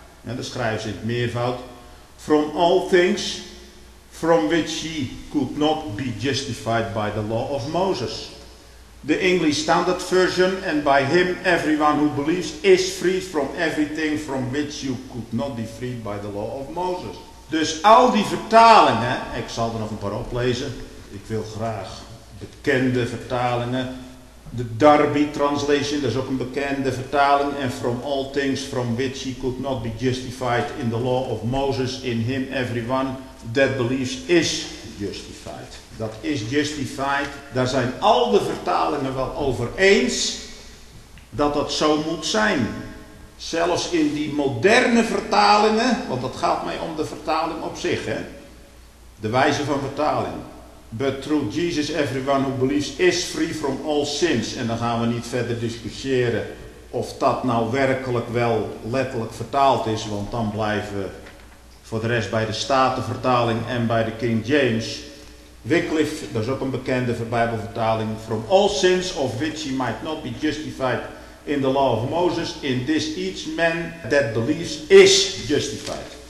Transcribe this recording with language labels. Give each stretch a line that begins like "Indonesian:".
Dutch: En dan schrijven ze in het meervoud:
English: "From all things from which he could not be justified by the law of Moses." De English Standard Version: "And by him everyone who believes is freed from everything from which you could not be freed by the law of Moses."
Dutch: Dus al die vertalingen, ik zal er nog een paar oplezen. Ik wil graag bekende vertalingen. De Darby Translation, dat is ook een bekende vertaling.
English: "And from all things from which he could not be justified in the law of Moses, in him everyone that believes is justified."
Dutch: Dat is justified. Daar zijn al de vertalingen wel over eens dat dat zo moet zijn. Zelfs in die moderne vertalingen, want dat gaat mij om de vertaling op zich, hè? De wijze van vertaling.
English: "But through Jesus everyone who believes is free from all sins."
Dutch: En dan gaan we niet verder discussiëren of dat nou werkelijk wel letterlijk vertaald is. Want dan blijven we voor de rest bij de Statenvertaling en bij de King James.
English: Wycliffe,
Dutch: dat is ook een bekende Bijbelvertaling:
English: "From all sins of which he might not be justified in the law of Moses, in this each man that believes is justified."